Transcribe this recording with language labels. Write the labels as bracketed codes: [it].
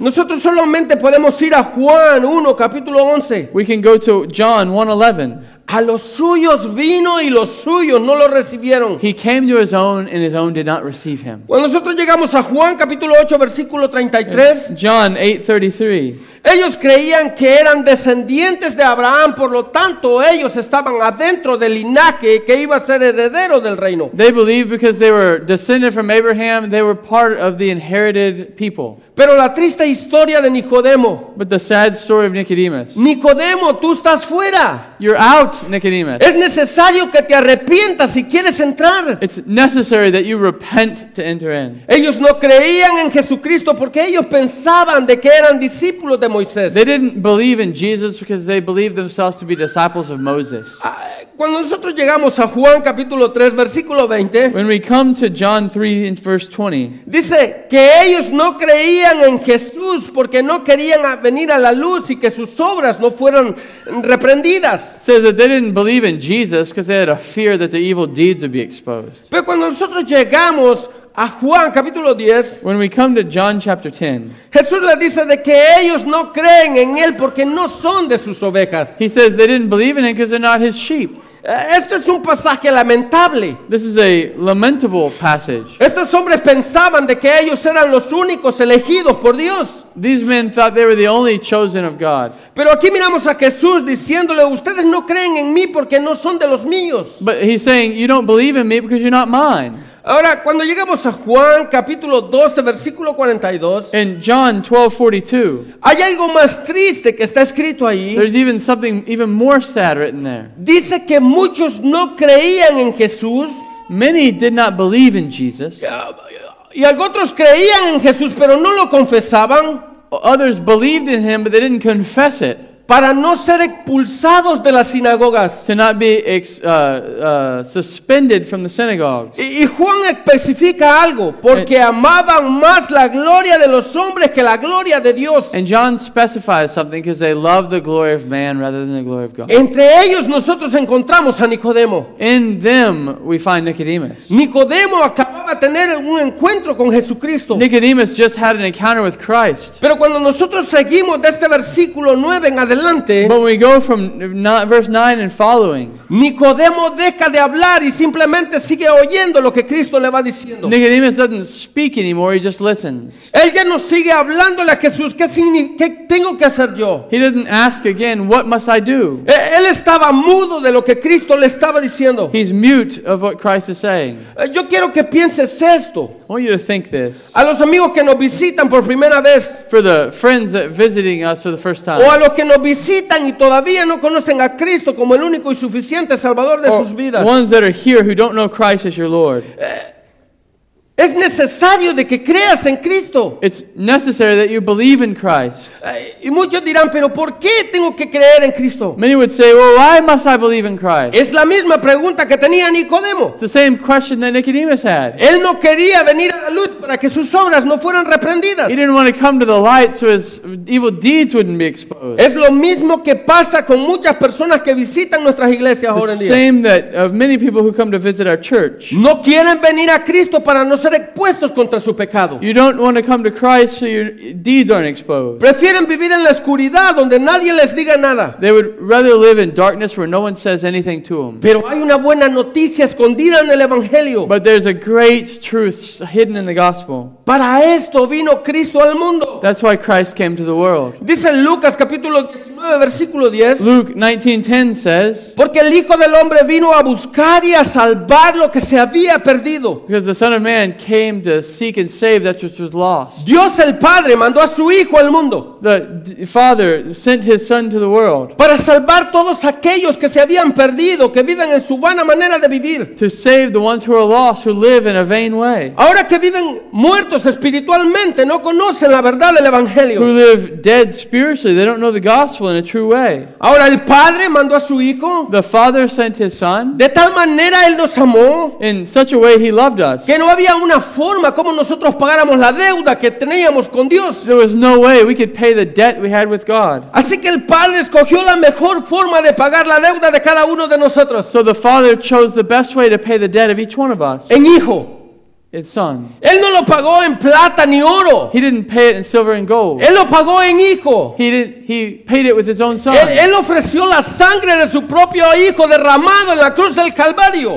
[es] nosotros solamente podemos ir a Juan 1, capítulo 11. [en] We can go to John 1:11. [es] A los suyos vino y los suyos no lo recibieron. [en] He came to his own and his own did not receive him. [es] Cuando nosotros llegamos a Juan capítulo 8 versículo 33, [en] John 8:33. [es] Ellos creían que eran descendientes de Abraham, por lo tanto ellos estaban adentro del linaje que iba a ser heredero del reino. [en] They believed because they were descended from Abraham, they were part of the inherited people. [es] Pero la triste historia de Nicodemo. [en] But the sad story of Nicodemus. [es] Nicodemo, tú estás fuera. [en] You're out, Nicodemus. [es] Es necesario que te arrepientas si quieres entrar. [en] It's necessary that you repent to enter in. [es] Ellos no creían en Jesucristo porque ellos pensaban de que eran discípulos de Moisés. [en] They didn't believe in Jesus because they believed themselves to be disciples of Moses. [es] Cuando nosotros llegamos a Juan capítulo 3 versículo 20, [en] when we come to John 3 in verse 20, [es] dice que ellos no creían en Jesús porque no querían venir a la luz y que sus obras no fueran reprendidas. [en] Says that they didn't believe in Jesus because they had a fear that their evil deeds would be exposed. [es] Pero cuando nosotros llegamos a Juan capítulo 10, [en] when we come to John chapter 10, [es] Jesús le dice de que ellos no creen en él porque no son de sus ovejas. [en] He says they didn't believe in him because they're not his sheep. [es] Esto es un pasaje lamentable. [en] This is a lamentable passage. [es] Estos hombres pensaban de que ellos eran los únicos elegidos por Dios. [en] These men thought they were the only chosen of God. [es] Pero aquí miramos a Jesús diciéndole, ustedes no creen en mí porque no son de los míos. [en] But he's saying, you don't believe in me because you're not mine. [es] Ahora, cuando llegamos a Juan, capítulo 12, versículo 42, [en] in John 12:42, [es] hay algo más triste que está escrito ahí. [en] There's even something even more sad written there. [es] Dice que muchos no creían en Jesús. [en] Many did not believe in Jesus. [es] Y otros creían en Jesús, pero no lo confesaban. [en] Others believed in him, but they didn't confess it. [es] Para no ser expulsados de las sinagogas. [en] To not be suspended from the synagogues. [es] Y Juan especifica algo. Porque amaban más la gloria de los hombres que la gloria de Dios. [en] And John specifies something because they love the glory of man rather than the glory of God. [es] Entre ellos nosotros encontramos a Nicodemo. [en] In them we find Nicodemus. [es] Nicodemo acababa de tener un encuentro con Jesucristo. [en] Nicodemus just had an encounter with Christ. [es] Pero cuando nosotros seguimos de este versículo 9 en adelante, [en] but when we go from verse 9 and following, [es] Nicodemo deja de hablar y simplemente sigue oyendo lo que Cristo le va diciendo. [en] Nicodemus doesn't speak anymore, he just listens. [es] Él ya no sigue hablándole a Jesús, ¿qué tengo que hacer yo? [en] He doesn't ask again, what must I do? [es] Él estaba mudo de lo que Cristo le estaba diciendo. [en] He's mute of what Christ is saying. [es] Yo quiero que pienses esto. [en] I want you to think this. [es] A los amigos que nos visitan por primera vez, [en] for the friends that are visiting us for the first time, [es] o a los que nos visitan y todavía no conocen a Cristo como el único y suficiente Salvador de sus vidas, [en] ones that are here who don't know Christ as your Lord, [es] es necesario de que creas en Cristo. [en] It's necessary that you believe in Christ. [es] Y muchos dirán, pero ¿por qué tengo que creer en Cristo? [en] Many would say, well, why must I believe in Christ? [es] Es la misma pregunta que tenía Nicodemo. [en] It's the same question that Nicodemus had. [es] Él no quería venir a la luz para que sus obras no fueran reprendidas. [en] He didn't want to come to the light so his evil deeds wouldn't be exposed. [es] Es lo mismo que pasa con muchas personas que visitan nuestras iglesias ahora en día. [en] The same that of many people who come to visit our church. [es] No quieren venir a Cristo para no ser expuestos contra su pecado. [en] You don't want to come to Christ so your deeds aren't exposed. [es] Prefieren vivir en la oscuridad donde nadie les diga nada. [en] They would rather live in darkness where no one says anything to them. [es] Pero hay una buena noticia escondida en el evangelio. [en] But there's a great truth hidden in the gospel. [es] Para esto vino Cristo al mundo. [en] That's why Christ came to the world. [es] Dice Lucas capítulo 19 versículo 10. [en] Luke 19:10 says, [es] porque el Hijo del Hombre vino a buscar y a salvar lo que se había perdido. [en] Because the Son of Man came to seek and save that which was lost. [es] Dios el Padre mandó a su Hijo al mundo. [en] The Father sent his Son to the world. [es] Para salvar todos aquellos que se habían perdido, que viven en su vana manera de vivir. [en] To save the ones who are lost, who live in a vain way. [es] Ahora que viven muertos espiritualmente, no conocen la verdad del evangelio. [en] Who live dead spiritually, they don't know the gospel in a true way. [es] Ahora el Padre mandó a su Hijo. [en] The Father sent his Son. [es] De tal manera él nos amó. [en] In such a way he loved us. [es] Que no había una forma como nosotros pagáramos la deuda que teníamos con Dios. [en] There was no way we could pay the debt we had with God. [es] Así que el Padre escogió la mejor forma de pagar la deuda de cada uno de nosotros. [en] So the Father chose the best way to pay the debt of each one of us. [es] En Hijo. [en] In Son. [es] Él no lo pagó en plata ni oro. [en] He didn't pay it in silver and gold. [es] Él lo pagó en Hijo. [en] He paid it with his own Son. [es] Él ofreció la sangre de su propio Hijo derramado en la cruz del Calvario.